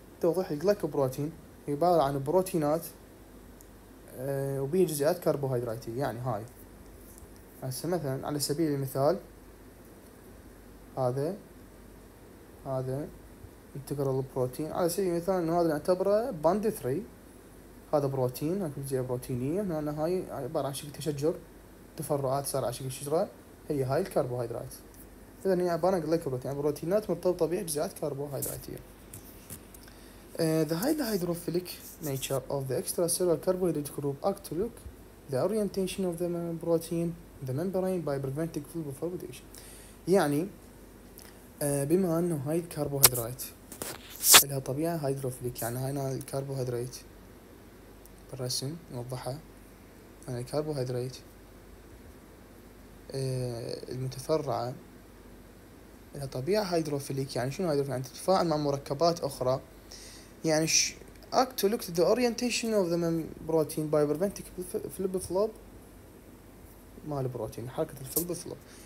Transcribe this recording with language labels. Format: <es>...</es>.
<ar>توضح الجلايكوبروتين عبارة عن بروتينات وبيه جزيئات كربوهيدراتية، يعني هاي هسه مثلا على سبيل المثال هذا انتجرال بروتين، على سبيل المثال انه هذا نعتبره باند 3، هذا بروتين، هاي جزيئة بروتينية، هنا هاي عبارة عن شكل تشجر، تفرعات صار على شكل شجرة، هي هاي الكربوهيدرات. إذا هي عبارة عن جلايكوبروتين، يعني بروتينات مرتبطة بها جزيئات كربوهيدراتية.</ar> <en>The highly hydrophilic nature of the extracellular carbohydrate group act to look the orientation of the protein the membrane by preventing phosphorylation.</en> <ar>يعني بما أنه هاي الكربوهيدرات لها طبيعة هيدروفيليك، يعني هاي الكربوهيدرات بالرسم نوضحها، هاي الكربوهيدرات المتفرعة لها طبيعة هيدروفيليك، يعني شنو هيدروفيليك؟ يعني تتفاعل مع مركبات أخرى، يعني</ar> <en>act to look the orientation of the protein by preventing flip flop</en> <ar>مال البروتين، حركة الفلب فلوب.</ar>